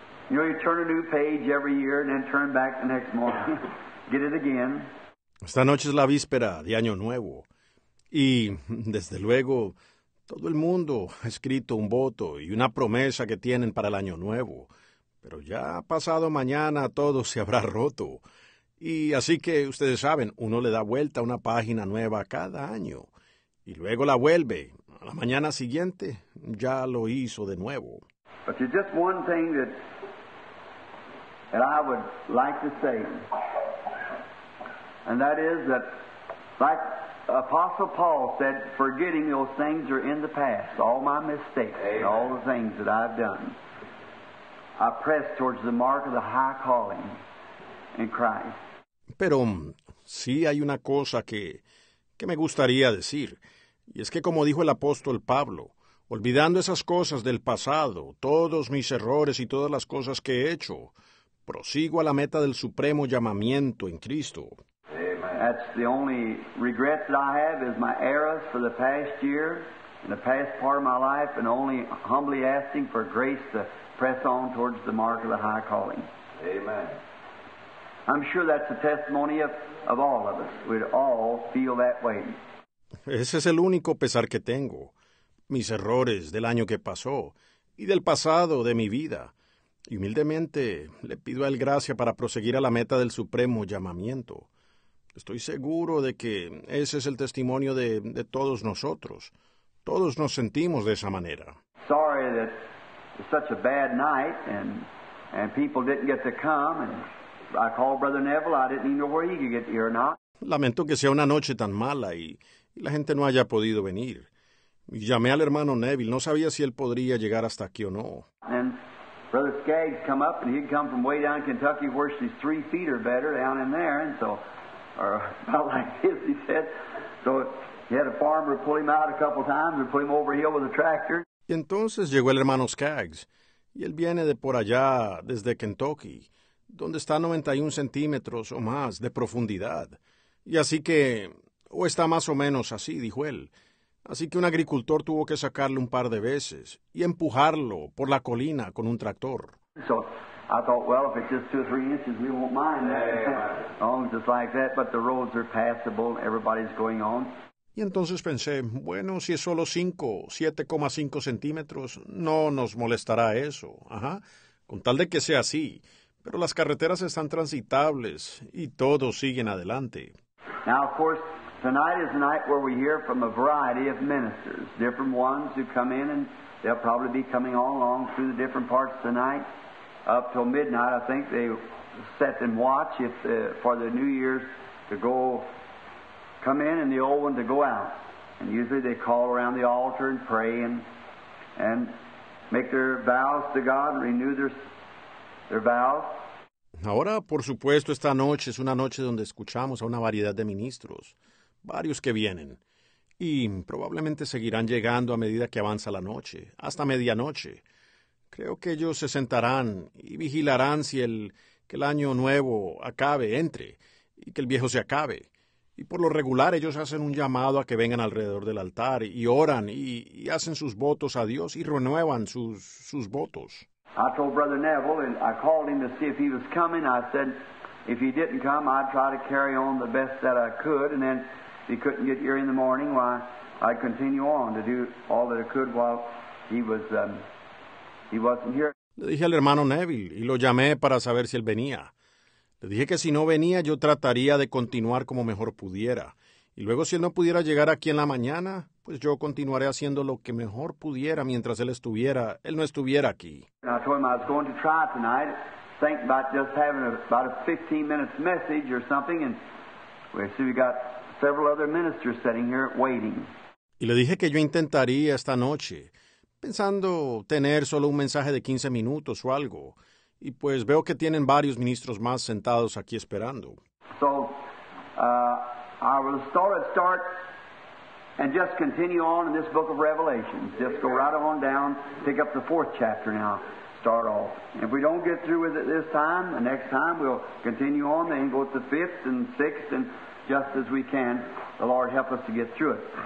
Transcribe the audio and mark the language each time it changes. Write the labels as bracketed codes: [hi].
[en] You know, you turn a new page every year and then turn back the next morning. Get it again. [es] Esta noche es la víspera de Año Nuevo. Y, desde luego, todo el mundo ha escrito un voto y una promesa que tienen para el Año Nuevo. Pero ya pasado mañana todo se habrá roto. Y así que, ustedes saben, uno le da vuelta a una página nueva cada año. Y luego la vuelve. A la mañana siguiente ya lo hizo de nuevo. [en] But there's just one thing that I would like to say, and that is that, like Apostle Paul said, forgetting those things that are in the past, all my mistakes, Amen. All the things that I've done, I press towards the mark of the high calling in Christ. [es] Pero sí hay una cosa que me gustaría decir, y es que como dijo el apóstol Pablo, olvidando esas cosas del pasado, todos mis errores y todas las cosas que he hecho, prosigo a la meta del supremo llamamiento en Cristo. [en] That's the only regret that I have is my errors for the past year and the past part of my life, and only humbly asking for grace to press on towards the mark of the high calling. Amen. I'm sure that's the testimony of all of us. We'd all feel that way. [es] Ese es el único pesar que tengo. Mis errores del año que pasó y del pasado de mi vida. Y humildemente le pido a él gracia para proseguir a la meta del supremo llamamiento. Estoy seguro de que ese es el testimonio de todos nosotros. Todos nos sentimos de esa manera. [en] Sorry that it's such a bad night and people didn't get to come. And I called Brother Neville. I didn't even know where he could get here or not. [es] Lamento que sea una noche tan mala y la gente no haya podido venir. Llamé al hermano Neville. No sabía si él podría llegar hasta aquí o no. [en] And Brother Skaggs come up, and he'd come from way down in Kentucky, where she's 3 feet or better down in there, and so, or about like this, he said. So he had a farmer pull him out a couple times and pull him over a hill with a tractor. [es] Y entonces llegó el hermano Skaggs, y él viene de por allá, desde Kentucky, donde está 91 centímetros o más de profundidad. Y así que, o está más o menos así, dijo él. Así que un agricultor tuvo que sacarle un par de veces y empujarlo por la colina con un tractor. [en] So, I thought, well, if it's just 2 or 3 inches, we won't mind that. Yeah. Oh, just like that, but the roads are passable, everybody's going on. [es] Y entonces pensé, bueno, si es solo 5, 7.5 centímetros, no nos molestará eso, ajá, con tal de que sea así. Pero las carreteras están transitables y todos siguen adelante. [en] Now, of course, tonight is a night where we hear from a variety of ministers, different ones who come in, and they'll probably be coming all along through the different parts of the night. Up till midnight, I think they set and watch if for the New Year's to go, come in, and the old one to go out. And usually they call around the altar and pray and make their vows to God and renew their vows. [es] Ahora, por supuesto, esta noche es una noche donde escuchamos a una variedad de ministros, varios que vienen, y probablemente seguirán llegando a medida que avanza la noche, hasta medianoche. Creo que ellos se sentarán y vigilarán si el año nuevo acabe, entre, y que el viejo se acabe. Y por lo regular, ellos hacen un llamado a que vengan alrededor del altar y oran y hacen sus votos a Dios y renuevan sus votos. [en] I told Brother Neville, and I called him to see if he was coming. I said, if he didn't come, I'd try to carry on the best that I could. And then, if he couldn't get here in the morning, why, I'd continue on to do all that I could while he wasn't here. [es] Le dije al hermano Neville, y lo llamé para saber si él venía. Le dije que si no venía, yo trataría de continuar como mejor pudiera. Y luego, si él no pudiera llegar aquí en la mañana, pues yo continuaré haciendo lo que mejor pudiera mientras él no estuviera aquí. [en] I told him I was going to try tonight, think about just having about a 15-minute message or something, and we see we got several other ministers sitting here waiting. [es] Y le dije que yo intentaría esta noche, pensando tener solo un mensaje de 15 minutos o algo, y pues veo que tienen varios ministros más sentados aquí esperando. [en] So, I will start. And just continue on in this book of Revelation. Just go right on down, pick up the 4th chapter now, start off. And if we don't get through with it this time, the next time we'll continue on, then go to 5th and 6th, and just as we can, the Lord help us to get through it.